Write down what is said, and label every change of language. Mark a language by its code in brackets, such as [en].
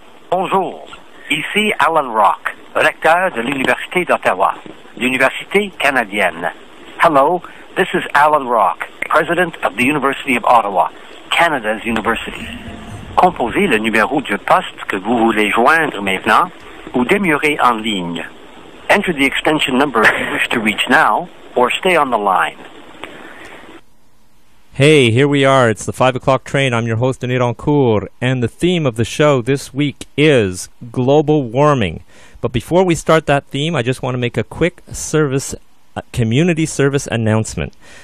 [fr] Bonjour, ici Alan Rock, recteur de l'Université d'Ottawa, l'Université canadienne. [en] Hello, this is Alan Rock, president of the University of Ottawa, Canada's university. [fr] Composez le numéro du poste que vous voulez joindre maintenant ou demeurez en ligne. [en] Enter the extension number you wish to reach now or stay on the line. Hey, here we are. It's the 5 o'clock train. I'm your host, Denis Rancourt, and the theme of the show this week is global warming. But before we start that theme, I just want to make a quick service, community service announcement.